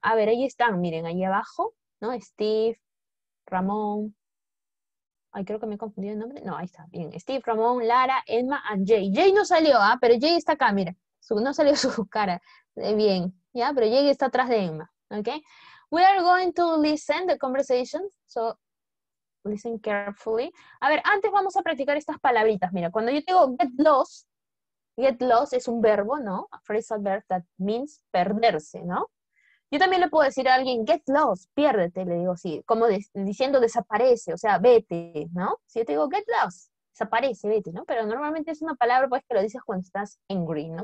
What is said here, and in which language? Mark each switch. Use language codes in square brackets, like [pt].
[es] A ver, ahí están, miren, ahí abajo, ¿no? Steve, Ramón. Ay, creo que me he confundido el nombre. No, ahí está. Bien. Steve, Ramón, Lara, Emma, and Jay. Jay no salió, ¿ah? Pero Jay está acá, mira. No salió su cara. Bien, ya, yeah, pero Jake está atrás de Emma, ¿ok? [en] We are going to listen the conversation, so listen carefully. [es] A ver, antes vamos a practicar estas palabritas. Mira, cuando yo digo get lost es un verbo, ¿no? [en] A phrasal verb that means [es] perderse, ¿no? Yo también le puedo decir a alguien, get lost, piérdete, le digo así, como diciendo desaparece, o sea, vete, ¿no? Si yo te digo, get lost, desaparece, vete, ¿no? Pero normalmente es una palabra pues que lo dices cuando estás angry, ¿no?